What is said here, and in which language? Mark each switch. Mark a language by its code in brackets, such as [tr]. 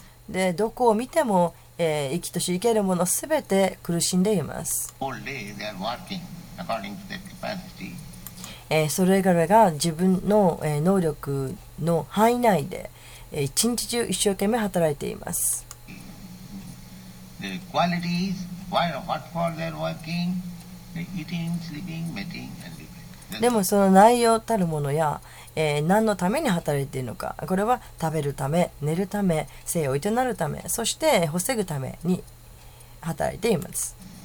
[ja] で、どこを見ても、生きとし生けるものすべて苦しんでいます。それぞれが自分の、能力の範囲内で、一日中一生懸命働いています。 [en] The qualities, what for they're working, eating, sleeping, mating. [ja] でもその内容たるものや、何のために働いているのか、これは食べるため、寝るため、生を営むため、そして防ぐために働いています。